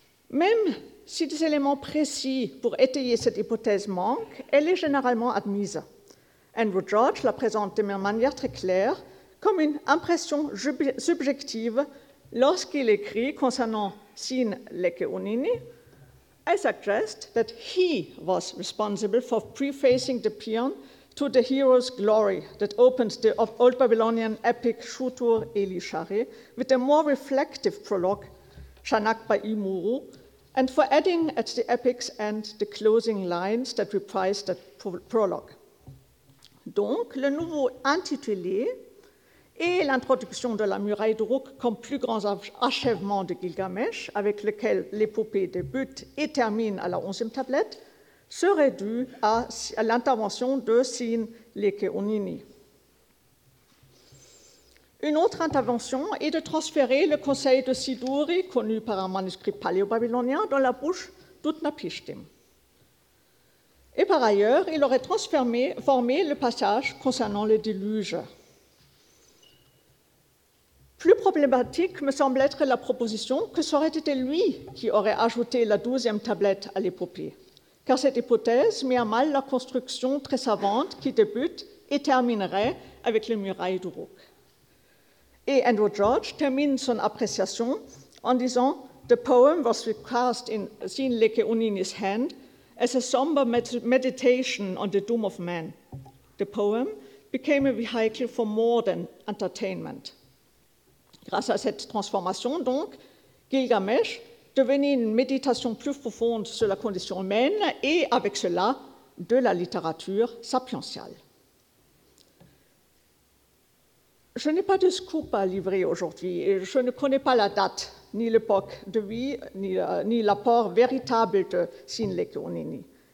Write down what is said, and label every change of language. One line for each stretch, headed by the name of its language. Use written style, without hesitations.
French: Même si des éléments précis pour étayer cette hypothèse manquent, elle est généralement admise. Andrew George la présente de manière très claire comme une impression subjective lorsqu'il écrit concernant Sin, Leke ou Nini.
English: I suggest that he was responsible for prefacing the pion to the hero's glory that opens the old Babylonian epic Shutur Elisharé with a more reflective prologue, Shanak by Imuru, and for adding at the epic's end the closing lines that reprise that prologue.
French: Donc, le nouveau intitulé et l'introduction de la muraille d'Uruk comme plus grand achèvement de Gilgamesh, avec lequel l'épopée débute et termine à la 11e tablette, serait dû à l'intervention de Sin, Leke ou Nini. Une autre intervention est de transférer le conseil de Siduri, connu par un manuscrit paléo-babylonien, dans la bouche d'Utnapishtim. Et par ailleurs, il aurait formé le passage concernant le déluge. Plus problématique me semble être la proposition que ça aurait été lui qui aurait ajouté la 12e tablette à l'épopée. Car cette hypothèse met à mal la construction très savante qui débute et terminerait avec les murailles d'Uruk. Et Andrew George termine son appréciation en disant
English: The poem was recast in Sin Leke Unini's hand as a somber meditation on the doom of man. The poem became a vehicle for more than entertainment.
French: Grâce à cette transformation, donc, Gilgamesh devenait une méditation plus profonde sur la condition humaine et, avec cela, de la littérature sapientiale. Je n'ai pas de scoop à livrer aujourd'hui. Je ne connais pas la date, ni l'époque de vie, ni l'apport véritable de Sin Leke Unini.